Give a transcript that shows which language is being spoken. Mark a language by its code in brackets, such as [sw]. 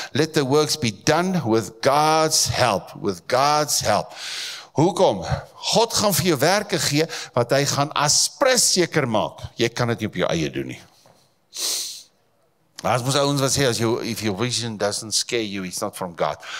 [en] Let the works be done with God's help. With God's help. [af] Hoekom? God gaan vir jou werke gee wat hy gaan aspres seker maak. Jy kan dit nie op jou eie doen nie. As moes ouens wat sê, as jou, [en] if your vision doesn't scare you, it's not from God.